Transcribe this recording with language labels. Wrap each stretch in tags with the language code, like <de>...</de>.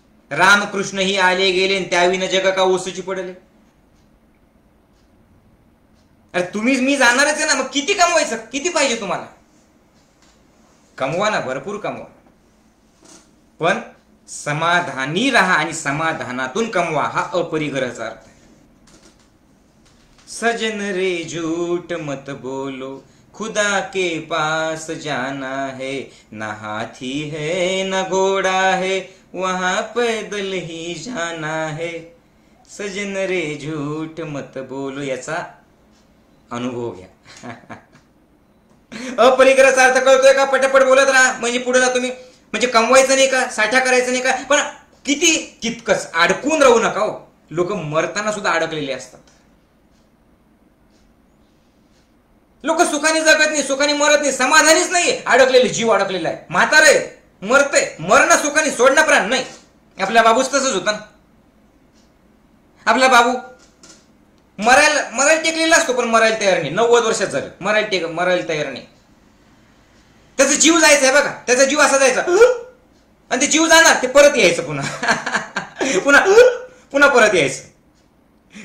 <mr>रामकृष्ण ही आले गेले त्याविन जग का ओसची पडले, अरे तुम्ही मी जाणारच आहे ना, मग किती कमवायचं, किती पाहिजे तुम्हाला, कमवा ना भरपूर कमवा, पण समाधानी राहा आणि समाधानातून कमवा, हा अपरिग्रहाचा अर्थ आहे।</mr> <hi>सजन रे झूठ मत बोलो, खुदा के पास जाना है, ना हाथी है ना घोड़ा है, वहां पैदल ही जाना है, सजन रे झूठ मत बोलो,</hi> <mr>याचा अनुभव घ्या। अपरिग्रह अर्थ कळतोय का, पटापट बोलत राहा, म्हणजे पुढे जा तुम्ही, म्हणजे कमवायचं नाही का, साठा करायचं नाही का, पण किती तितकंच, अडकून राहू नका हो, लोक मरताना सुद्धा अडकलेले असतात, लोक सुखाने जगत नाही, सुखाने मरत नाही, समाधानीच नाही, अडकलेले जीव अडकलेला आहे, म्हातारे मरते, मरण सुखाने सोडणार प्राण नाही, आपल्या बाबूच तसंच होत ना, आपला बाबू मरायला मरायला टेकलेला असतो पण मरायला तयार नाही, 90 वर्षात झाले मरायला टेक मरायला तयार नाही, त्याचा जीव जायचा आहे बघा, त्याचा जीव असा जायचा, आणि ते जीव जाणार ते परत यायचं पुन्हा पुन्हा पुन्हा परत यायचं,</mr>